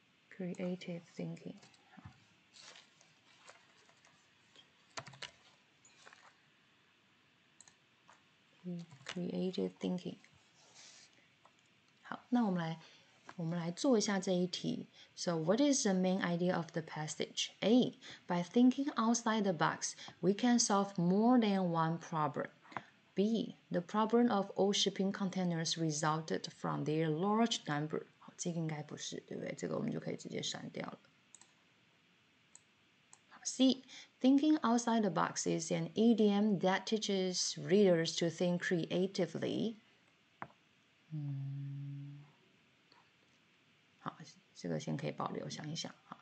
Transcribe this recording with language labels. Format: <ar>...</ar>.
<en>Creative thinking。 Creative thinking。</en> <zh>好，那我们来做一下这一题。</zh> <en>So, what is the main idea of the passage? A. By thinking outside the box, we can solve more than one problem. B. The problem of all shipping containers resulted from their large number.</en> <zh>这个应该不是，对不对？这个我们就可以直接删掉了。</zh> <en>C. Thinking outside the box is an idiom that teaches readers to think creatively.</en> <zh>好，这个先可以保留，想一想。</zh>